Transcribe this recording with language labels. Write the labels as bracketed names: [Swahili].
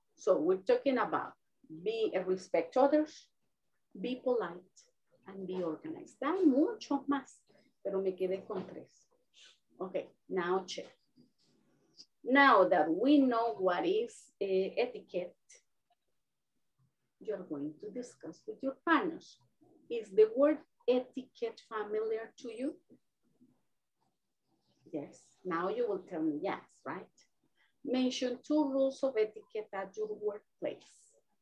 [English] So, we're talking about be respect others, be polite, and be organized. [Spanish] Hay muchos más, pero me quedé con tres. [English] Okay, now check. Now that we know what is etiquette, you're going to discuss with your partners. Is the word etiquette familiar to you? Yes, now you will tell me yes, right? Mention two rules of etiquette at your workplace.